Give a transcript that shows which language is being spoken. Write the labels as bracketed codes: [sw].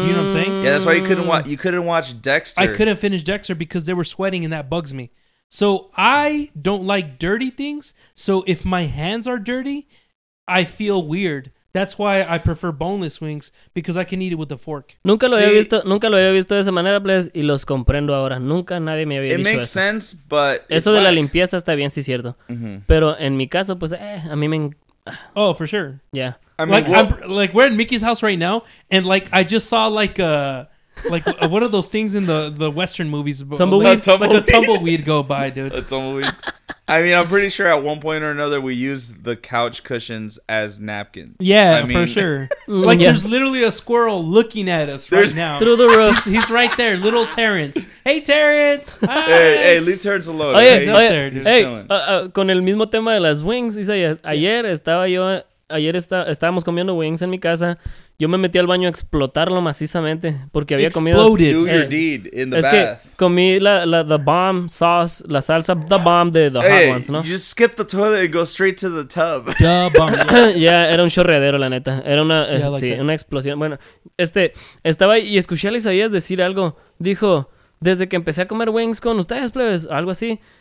[en] Do you know what I'm saying? Yeah, that's why you couldn't watch Dexter. I couldn't finish Dexter because they were sweating and that bugs me. So I don't like dirty things. So if my hands are dirty, I feel weird. That's why I prefer boneless wings because I can eat it with a fork. [es] Nunca lo había visto de esa manera, [en] please, [es] y los comprendo ahora. Nunca nadie me había dicho eso. [en] It makes sense, but [es] eso de la limpieza está bien, sí, cierto. Mm-hmm. Pero en mi caso, pues, a mí me. [en] Oh, for sure. Yeah. I mean, like, I'm we're in Mickey's house right now, and like I just saw like a one of those things in the Western movies, a tumbleweed go by, dude. A tumbleweed. I mean, I'm pretty sure at one point or another we used the couch cushions as napkins. Yeah, I mean, for sure. Like, yeah. There's literally a squirrel looking at us right now. Through the roof. He's right there, little Terrence. Hey, Terrence. Hey, leave Terrence alone. Oh, yeah, he's up there. Just hey, chilling. [es] Con el mismo tema de las wings, Isaías. Ayer estaba yo, estábamos comiendo wings en mi casa. Yo me metí al baño a explotarlo macizamente porque había [en] exploded. [es] Comido... [en] Exploded. Do your deed in the [es] es [en] bath. [es] Que comí [en] the bomb sauce, [es] la salsa, [en] the bomb [es] de [en] the hot ones, [es] ¿no? [en] You just skip the toilet and go straight to the tub. The bomb. [es] Yeah, era un chorreadero, la neta. Era una, una explosión. Bueno, estaba y escuché a Isaías decir algo. Dijo, desde que empecé a comer wings con ustedes, plebes, algo así...